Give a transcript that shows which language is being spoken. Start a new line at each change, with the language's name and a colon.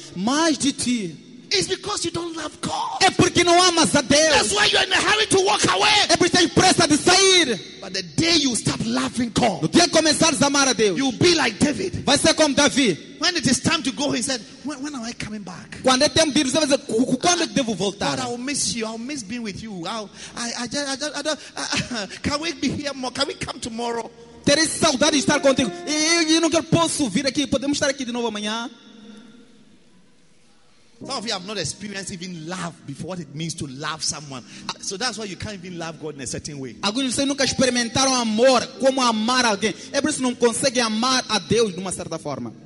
Portuguese: Mais de ti.
English: It's because you don't love God.
Portuguese: É porque não amas a Deus.
English: That's why you're in a hurry to walk away.
Portuguese: É porque está pressa de sair.
English: But the day you stop loving God,
Portuguese: no dia começar a amar a Deus,
English: you'll be like David.
Portuguese: Vai ser como Davi.
English: When it is time to go, he said, when am I coming back?
Portuguese: Quando é tempo de ir, você vai dizer, quando é que devo voltar?
English: God, I'll miss you. I'll miss being with you. Can we be here more? Can we come tomorrow?
Portuguese: Terei saudade de estar contigo. Eu não quero, posso vir aqui. Podemos estar aqui de novo amanhã?
English: Some of you have not experienced even love before, what it means to love someone. So that's why you can't even love God in a certain way.
Portuguese: Alguns de vocês nunca experimentaram amor, como amar alguém. É por isso que não conseguem amar a Deus de uma certa forma.